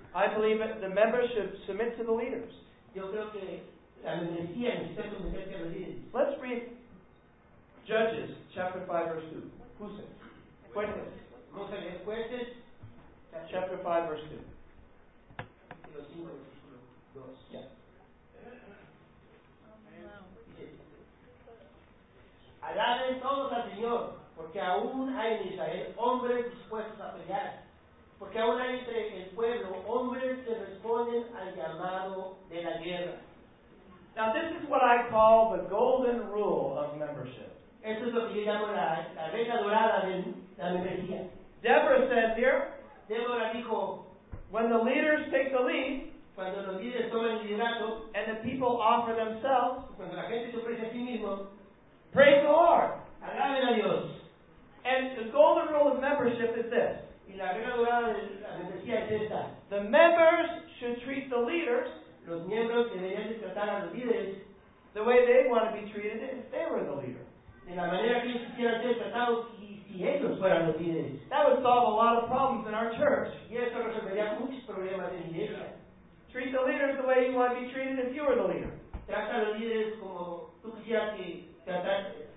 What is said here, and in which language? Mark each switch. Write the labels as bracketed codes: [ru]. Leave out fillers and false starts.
[en] I believe that the members should submit to the leaders. [es] Yo creo que la membresía necesita someterse a los líderes. [en] Let's read Judges chapter 5 verse 2. Who said? Cuentes. [es] Vamos a leer Cuentes. [en] Chapter 5 verse 2. [es] Los 5 versículos 2. [en] Yeah. [es] Alaben todos al Señor, porque aún hay en Israel hombres dispuestos a pelear. Porque aún hay entre el pueblo hombres que responden al llamado de la guerra. [en] Now this is what I call the golden rule of membership. [es] Esto es lo que yo llamo la regla dorada de la membresía. [en] Deborah said here, [es] Deborah dijo, [en] when the leaders take the lead, [es] cuando los líderes toman el liderazgo, [en] and the people offer themselves, [es] cuando la gente se ofrece a sí mismo, [en] praise the Lord. [es] Alaben a Dios. [en] And the golden rule of membership is this. [es] Y la regla dorada de la membresía es esta. [en] The members should treat the leaders, [es] los miembros deberían tratar a los líderes, [en] the way they want to be treated if they were the leader. [es] De la manera que ellos quisieran ser tratados si ellos fueran los líderes. [en] That would solve a lot of problems in our church. [es] Y eso resolvería muchos problemas en la iglesia. [en] Treat the leaders the way you want to be treated if you were the leader. [es] Trata a los líderes como tú quisieras que tratar.